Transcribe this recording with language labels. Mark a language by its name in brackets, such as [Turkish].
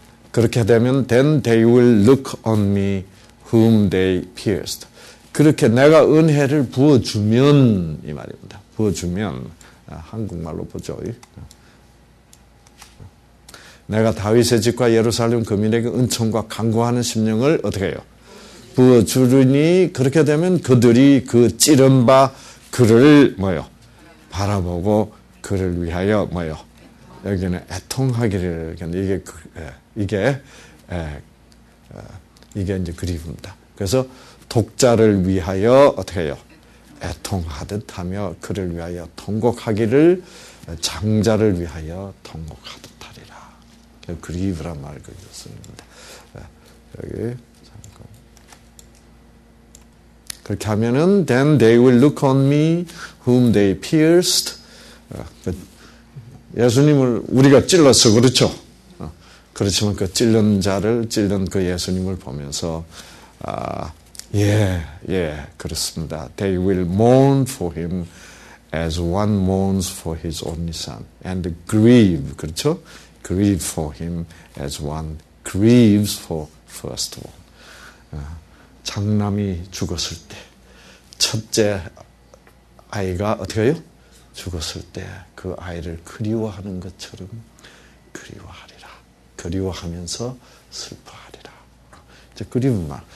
[Korean] 그렇게 되면 [English] then they will look on me whom they pierced. [Korean] 그렇게 내가 은혜를 부어주면 이 말입니다. 부어주면 한국말로 보죠. 내가 다윗의 집과 예루살렘 거민에게 은총과 간구하는 심령을 어떻게 해요? 부어주리니 그렇게 되면 그들이 그 찌른 바 그를 뭐요? 바라보고 그를 위하여 뭐요? 여기는 애통하기를 이게 이게 이제 그리움입니다. 그래서 독자를 위하여 어떻게 해요? 애통하듯 하며 그를 위하여 통곡하기를 장자를 위하여 통곡하듯 하리라. 그리브란 말 그리고 쓰는데 여기 잠깐 그렇게 하면은 [English] Then they will look on me whom they pierced. [Korean] 예수님을 우리가 찔러서 그렇죠. 그렇지만 그 찔른 자를 찔른 그 예수님을 보면서 아 예, 예, 그렇습니다. [English] They will mourn for him as one mourns for his only son and grieve, [Korean] 그렇죠? [English] Grieve for him as one grieves for firstborn. [Korean] 장남이 죽었을 때, 첫째 아이가 어떻게 해요? 죽었을 때 그 아이를 그리워하는 것처럼 그리워하리라. 그리워하면서 슬퍼하리라. 이제 그리운 말.